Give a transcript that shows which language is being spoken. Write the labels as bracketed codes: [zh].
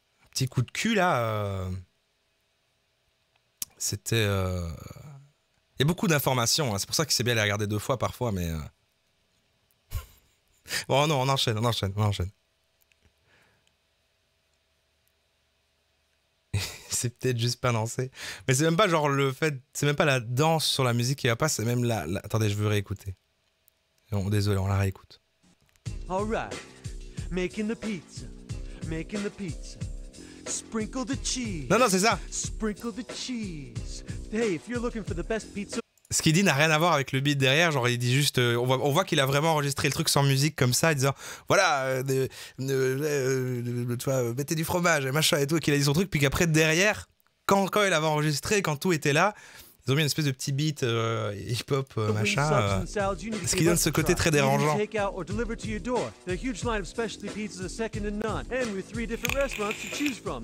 [fr] petit coup de cul là, c'était il y a beaucoup d'informations, hein. C'est pour ça que c'est bien les regarder deux fois parfois, mais bon non, on enchaîne. C'est peut-être juste pas lancé, mais c'est même pas genre le fait, c'est même pas la danse sur la musique qui va pas, c'est même la... Attendez, je veux réécouter. Non, désolé, on la réécoute. [en] All right, making the pizza, making the pizza. Sprinkle the cheese. [fr] Non, c'est ça. [en] Sprinkle the cheese. Hey, if you're looking for the best pizza. [fr] Ce qu'il dit n'a rien à voir avec le beat derrière. Genre, il dit juste. On voit qu'il a vraiment enregistré le truc sans musique comme ça, disant voilà, mettez du fromage et machin et tout. Et qu'il a dit son truc. Puis qu'après, derrière, quand il avait enregistré, quand tout était là, ils ont mis une espèce de petit beat hip-hop machin. Ce qui donne ce côté très dérangeant. [en] Take out or deliver to your door. The huge line of specialty pizzas are second to none. And we have three different restaurants to choose from.